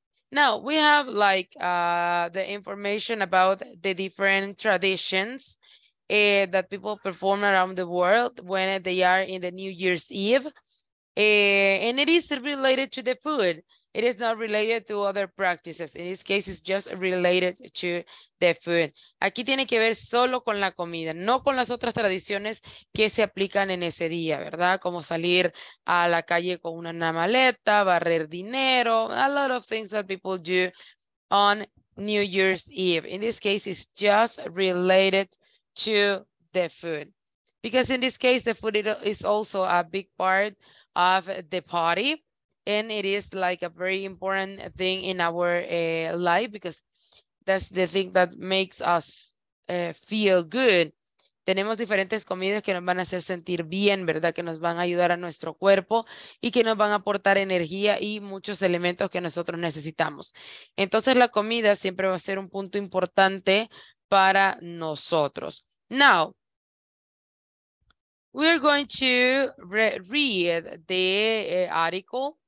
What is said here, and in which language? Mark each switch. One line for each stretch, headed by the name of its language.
English: Now, we have like the information about the different traditions that people perform around the world when they are in the New Year's Eve. And it is related to the food. It is not related to other practices. In this case, it's just related to the food.
Spanish: Aquí tiene que ver solo con la comida, no con las otras tradiciones que se aplican en ese día, ¿verdad? Como salir a la calle con una maleta, barrer dinero, a lot of things that people do on New Year's Eve.
English: In this case, it's just related to the food. Because in this case, the food is also a big part of the party. And it is like a very important thing in our life because that's the thing that makes us feel good.
Spanish: Tenemos diferentes comidas que nos van a hacer sentir bien, ¿verdad? Que nos van a ayudar a nuestro cuerpo y que nos van a aportar energía y muchos elementos que nosotros necesitamos. Entonces la comida siempre va a ser un punto importante para nosotros.
English: Now, we're going to read the article.